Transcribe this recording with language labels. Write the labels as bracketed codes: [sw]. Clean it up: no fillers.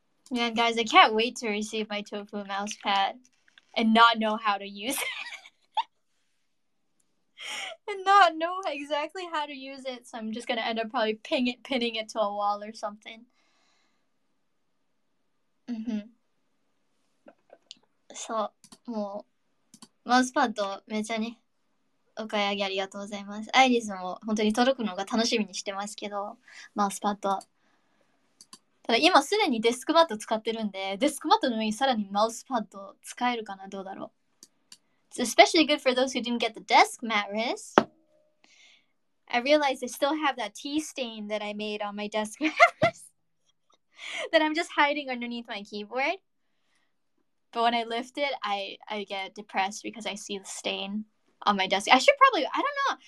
[en] Man, guys, I can't wait to receive my tofu mouse pet and not know how to use it. And not know exactly how to use it. So I'm just gonna end up probably pinning it to a wall or something. [ja] そう、もう、マウスパッド、めちゃね、お買い上げありがとうございます。アイリスも、本当に届くのが楽しみにしてますけど、マウスパッド。ただ、今すでにデスクマット使ってるんで、デスクマットの上にさらにマウスパッド使えるかな、どうだろう。 [en] It's especially good for those who didn't get the desk mattress. I realized I still have that tea stain that I made on my desk mattress. That I'm just hiding underneath my keyboard. But when I lift it, I get depressed because I see the stain on my desk. I should probably, I don't know.